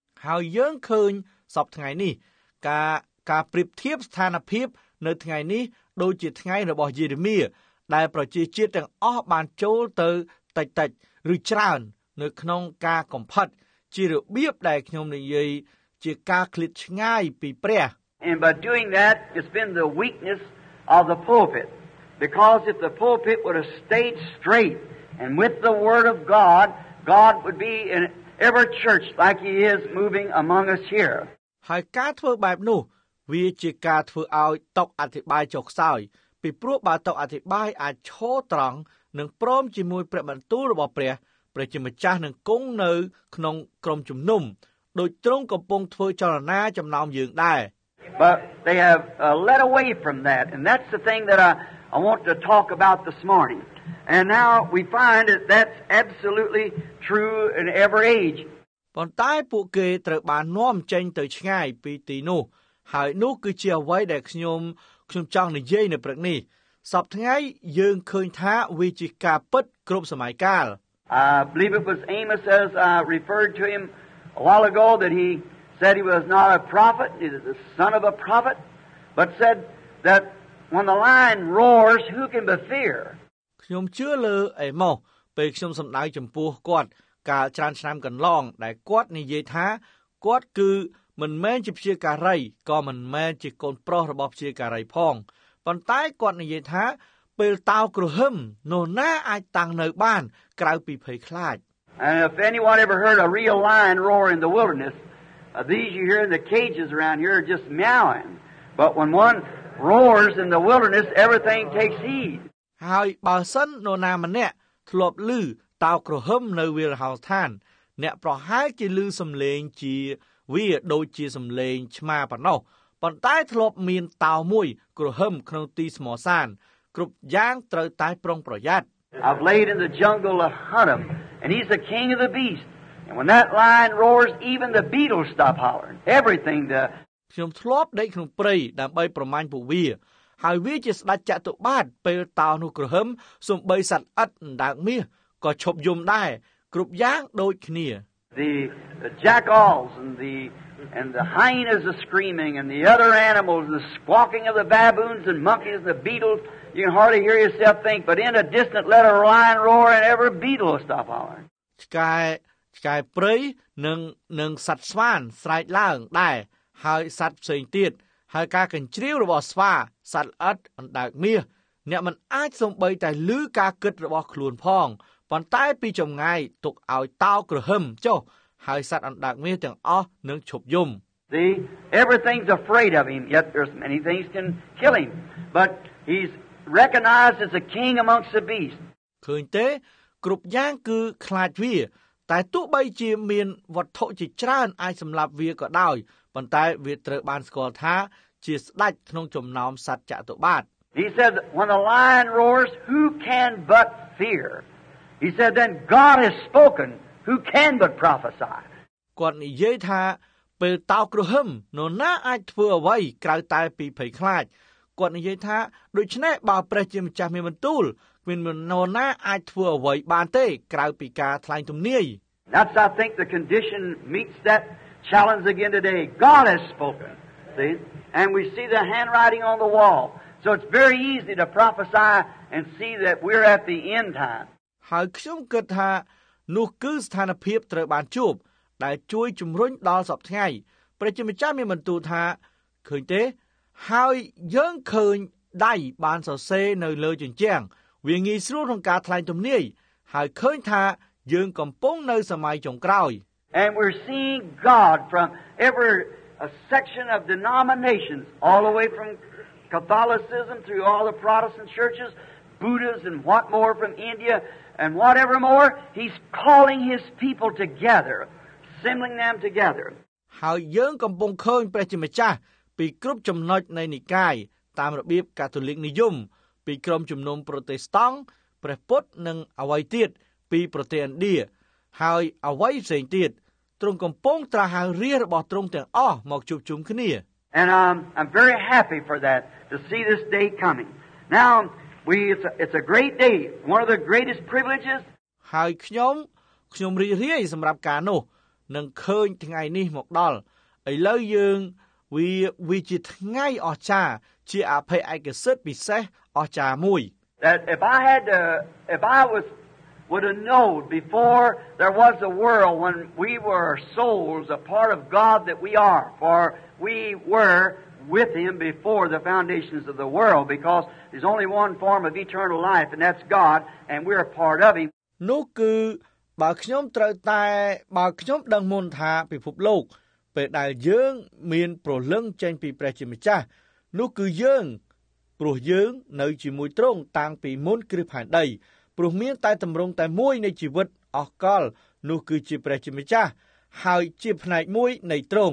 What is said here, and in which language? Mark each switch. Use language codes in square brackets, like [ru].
[km] ហើយយើងឃើញសពថ្ងៃនេះការប្រៀបធៀបស្ថានភាពនៅថ្ងៃនេះដូចជាថ្ងៃរបស់យេរេមៀដែលប្រជាជាតិទាំងអស់បានចូលទៅតិចឬច្រើននៅក្នុងការកំផិតជារបៀបដែលខ្ញុំនិយាយជាការឃ្លាតឆ្ងាយពីព្រះ [en] And by doing that it's been the weakness of the pulpit because if the pulpit would have stayed straight and with the word of God God would be every church like he is moving among us here. [km] ហើយការធ្វើបែបនោះវាជាការធ្វើឲ្យតុអធិបាយចុះខ្សោយពីព្រោះបើតុអធិបាយអាចឈរត្រង់និងព្រមជាមួយព្រះបន្ទូលរបស់ព្រះព្រះជាម្ចាស់នឹងគង់នៅក្នុងក្រុមជំនុំដោយទ្រង់កំពុងធ្វើចលនាចំណោមយើងដែរ [en] But they have led away from that and that's the thing that I want to talk about this morning. And now we find that that's absolutely true in every age. [km] ប៉ុន្តែពួកគេត្រូវបាននាំចេញទៅឆ្ងាយពីទីនោះហើយនោះគឺជាអ្វីដែលខ្ញុំចង់និយាយនៅព្រឹកនេះសប្តាហ៍ថ្ងៃយើងឃើញថាវាជាការពិតគ្រប់សម័យកាល [en] believe it was Amos as referred to him a while ago that he said he was not a prophet he was the son of a prophet but said that when the lion roars who can be fear [km] ខ្ញុំជឿលើអេម៉ូសពេលខ្ញុំសម្ដៅចំពោះគាត់កាលច្រើនឆ្នាំកន្លងដែលគាត់និយាយថាគាត់គឺមិនមែនជាព្យាការីក៏មិនមែនជាកូនប្រុសរបស់ព្យាការីផងប៉ុន្តែគាត់និយាយថាពេលតោគ្រហឹមនោះណាអាចតាំងនៅបានក្រៅពីភ័យខ្លាច [en] And if anyone ever heard a real lion roar in the wilderness these you hear in the cages around here are just meowing but when one roars in the wilderness everything takes heed [km] ហើយបើសិននោះណាម្នាក់ធ្លាប់ឮតោគ្រហឹមនៅវាលហោឋានអ្នកប្រហែលជាឮសំឡេងជាវាដូចជាសំឡេងឆ្មាប៉ុណ្ណោះប៉ុន្តែធ្លាប់មានតោមួយគ្រហឹមក្នុងទីស្មោសានគ្រប់យ៉ាងត្រូវតែប្រុងប្រយ័ត្ន [en] I've laid in the jungle a hunter and he's the king of the beast and when that lion roars even the beetles stop howling everything the [km] ខ្ញុំធ្លាប់ដេកក្នុងព្រៃដើម្បីប្រមាញ់ពួកវាហើយវាជាស្ដេចចតុបាទពេលតោនោះគ្រហឹមសំបីសត្វអិតអណ្ដើកមាសក៏ឈប់យំដែរគ្រប់យ៉ាងដូចគ្នា [en] the jackals and the hyenas are screaming and the other animals the squawking of the baboons and monkeys the beetles you can hardly hear yourself think but in a distant let a lion roar and every beetle will stop howling [km] ឆ្កែព្រៃនឹងសត្វស្វាស្រែកឡើងដែរហើយសត្វផ្សេងទៀតហើយការកញ្ជ្រៀវរបស់ស្វាសត្វអិតអណ្ដើកមាសអ្នកមិនអាចសំបីតែឮការគិតរបស់ខ្លួនផងប៉ុន្តែពីចម្ងាយទុកឲ្យតោក្រហឹមចុះហើយសត្វអណ្ដើកមាសទាំងអស់នឹងឈប់យំ [en] See, everything's afraid of him yet there's many things can kill him but he's recognized as a king amongst the beasts [km] ឃើញទេគ្រប់យ៉ាងគឺខ្លាចវាតែទោះបីជាមានវត្ថុជាច្រើនអាចសម្លាប់វាក៏ដោយប៉ុន្តែវាត្រូវបានស្គាល់ថាជាស្ដេចក្នុងចំណោមសត្វចតុបាទ [en] He said when the lion roars who can but fear He said then God has spoken who can but prophesy [km] គាត់និយាយថាពេលតោគ្រហឹមនោះណាអាចធ្វើអ្វីក្រៅតែពីភ័យខ្លាចគាត់និយាយថាដូច្នេះបើព្រះជាម្ចាស់មានបន្ទូលគ្មាននរណាអាចធ្វើអ្វីបានទេក្រៅពីការថ្លែងទំនាយ [en] That's I think the condition meets that challenge again today God has spoken see and we see the handwriting on the wall so it's very easy to prophesy and see that we're at the end time [km] ហើយខ្ញុំគិតថានោះគឺស្ថានភាពត្រូវបានជួបដែលជួយជំរុញដល់សប្តាហ៍ថ្ងៃព្រះជាម្ចាស់មានបន្ទូលថាឃើញទេហើយយើងឃើញដៃបានសរសេរនៅលើជញ្ជាំងវាងាយស្រួលក្នុងការថ្លែងទំនាយហើយឃើញថាយើងកំពុងនៅសម័យចុងក្រោយ [en] And we're seeing God from every section of denominations all the way from Catholicism through all the Protestant churches Buddhas and what more from India and whatever more he's calling his people together assembling them together [km] ហើយយើងកំពុងឃើញព្រះជាម្ចាស់ពីគ្រប់ចំណុចនៃនិកាយតាមរបៀបកាតូលិកនិយមពីក្រុមជំនុំប្រូតេស្តង់ព្រះពុទ្ធនិងអ្វីទៀតពីប្រទេសឥណ្ឌាហើយអ្វីផ្សេងទៀតទ្រង់កំពុងត្រាស់ហៅរាជរបស់ទ្រង់ទាំងអស់មកជួបជុំគ្នា [en] And I'm very happy for that to see this day coming. Now we it's a great day, one of the greatest privileges. [km] ហើយខ្ញុំរីករាយសម្រាប់ការនោះនឹងឃើញថ្ងៃនេះមកដល់ឥឡូវយើងវាជាថ្ងៃអស្ចារ្យជាអភ័យឯកសិទ្ធិពិសេសអស្ចារ្យមួយ [en] That if I had if I would have known before there was a world when we were souls a part of God that we are for we were with him before the foundations of the world because there's only one form of eternal life and that's God and we're a part of him [km] នោះគឺ បើខ្ញុំត្រូវតែបើខ្ញុំដឹងមុនថាពិភពលោកពេលដែលយើងមានប្រលឹងចេញពីព្រះជាម្ចាស់នោះគឺយើងព្រោះយើងនៅជាមួយទ្រង់តាំងពីមុនគ្រឹះផែនដីព្រោះមានតែទម្រង់តែមួយនៃជីវិតអស់កលនោះគឺជាព្រះជាម្ចាស់ហើយជាផ្នែកមួយនៃទ្រង